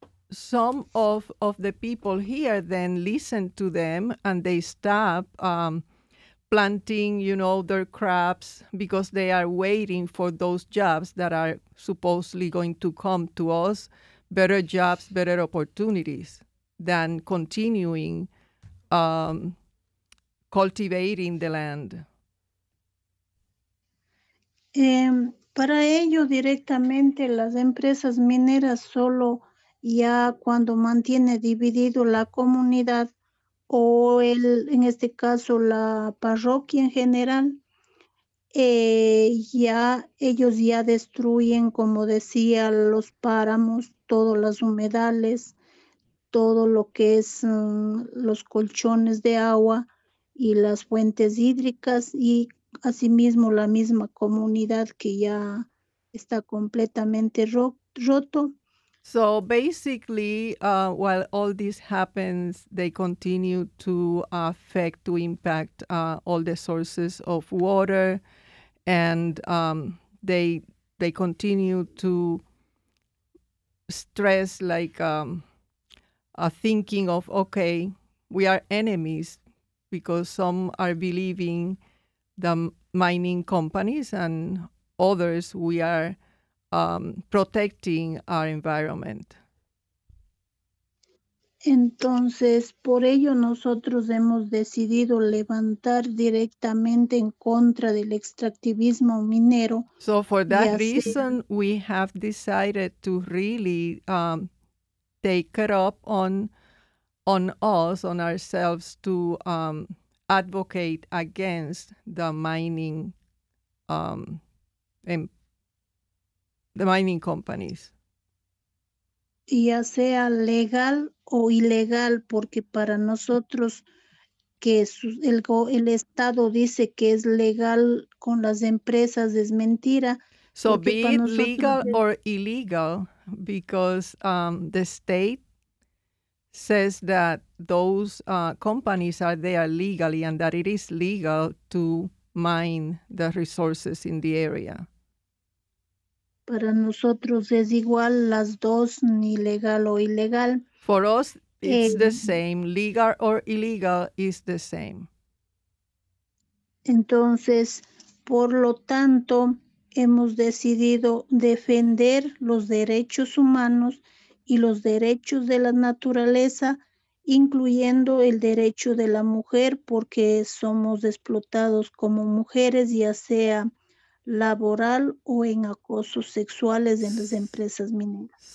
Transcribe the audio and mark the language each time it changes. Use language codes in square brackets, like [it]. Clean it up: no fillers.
[en] Some of the people here then listen to them and they stop planting, you know, their crops because they are waiting for those jobs that are supposedly going to come to us, better jobs, better opportunities than continuing cultivating the land. [es] Para ello directamente las empresas mineras solo ya cuando mantiene dividido la comunidad o el, en este caso, la parroquia en general, ellos ya destruyen, como decía, los páramos, todos los humedales, todo lo que es los colchones de agua y las fuentes hídricas y asimismo la misma comunidad que ya está completamente roto. [en] So basically, while all this happens, they continue to affect, to impact all the sources of water, and they continue to stress like thinking of, okay, we are enemies because some are believing the mining companies and others we are protecting our environment. [es] Entonces, por ello nosotros hemos decidido levantar directamente en contra del extractivismo minero. [en] So for that reason, we have decided to really take it up on us, on ourselves, to advocate against the mining the mining companies. [es] Ya sea legal o ilegal, porque para nosotros que el Estado dice que es legal con las empresas es mentira. [en] So [es] porque [en] be [es] para [en] it [es] nosotros [en] legal or illegal, because the state says that those companies are there legally and that it is legal to mine the resources in the area. [es] Para nosotros es igual las dos, ni legal o ilegal. [en] For us, it's the same. Legal or illegal is the same. [es] Entonces, por lo tanto, hemos decidido defender los derechos humanos y los derechos de la naturaleza, incluyendo el derecho de la mujer, porque somos explotados como mujeres, ya sea laboral o en acosos sexuales en las empresas mineras.